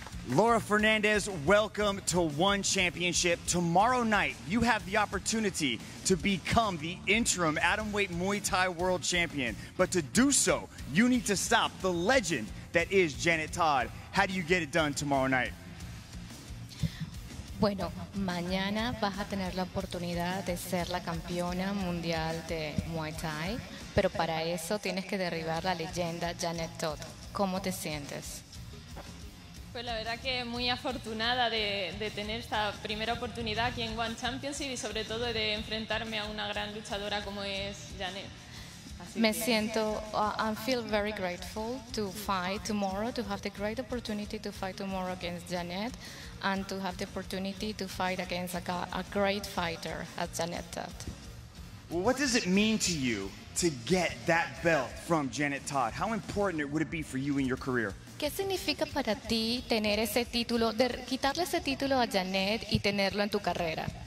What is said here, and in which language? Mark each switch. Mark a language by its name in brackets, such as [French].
[English] Lara Fernandez, welcome to One Championship. Tomorrow night, you have the opportunity to become the interim atomweight Muay Thai world champion. But to do so, you need to stop the legend that is Janet Todd. How do you get it done tomorrow night? [Spanish] Bueno, mañana vas a tener la oportunidad de ser la campeona mundial de Muay Thai, pero para eso tienes que derribar la leyenda Janet Todd. ¿Cómo te sientes? Pues la verdad que muy afortunada de tener esta primera oportunidad aquí en One Championship y sobre todo de enfrentarme a una gran luchadora como es Janet. [English] I feel very grateful to fight tomorrow, to have the great opportunity to fight tomorrow against Janet and to have the opportunity to fight against a great fighter as Janet Todd. Well, what does it mean to you to get that belt from Janet Todd? How important would it be for you in your career? [Spanish] ¿Qué significa para ti tener ese título, quitarle ese título a Janet y tenerlo en tu carrera?